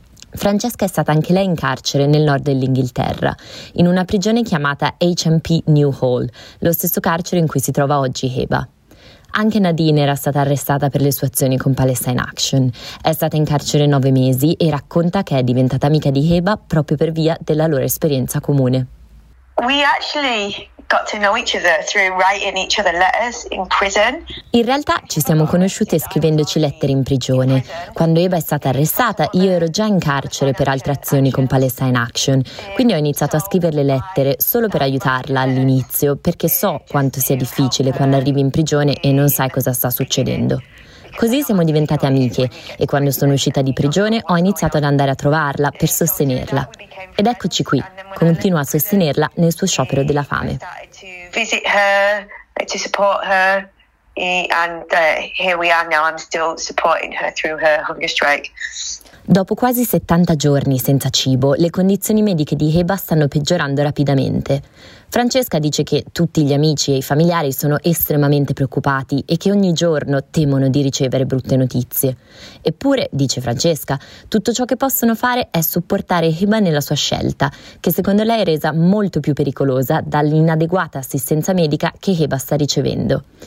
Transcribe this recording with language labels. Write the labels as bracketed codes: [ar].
[it] Francesca è stata anche lei in carcere nel nord dell'Inghilterra, in una prigione chiamata HMP Newhall, lo stesso carcere in cui si trova oggi Heba. Anche Nadine era stata arrestata per le sue azioni con Palestine Action. È stata in carcere 9 mesi e racconta che è diventata amica di Heba proprio per via della loro esperienza comune. [en] We actually got to know each other through writing each other letters in prison. [it] In realtà ci siamo conosciute scrivendoci lettere in prigione. Quando Heba è stata arrestata, io ero già in carcere per altre azioni con Palestine Action, quindi ho iniziato a scriverle lettere solo per aiutarla all'inizio, perché so quanto sia difficile quando arrivi in prigione e non sai cosa sta succedendo. Così siamo diventate amiche e quando sono uscita di prigione ho iniziato ad andare a trovarla per sostenerla. Ed eccoci qui, continuo a sostenerla nel suo sciopero della fame. [en] Visit her, to support her, and here we are now, I'm still supporting her through her hunger strike. [it] Dopo quasi 70 giorni senza cibo, le condizioni mediche di Heba stanno peggiorando rapidamente. Francesca dice che tutti gli amici e i familiari sono estremamente preoccupati e che ogni giorno temono di ricevere brutte notizie. Eppure, dice Francesca, tutto ciò che possono fare è supportare Heba nella sua scelta, che secondo lei è resa molto più pericolosa dall'inadeguata assistenza medica che Heba sta ricevendo.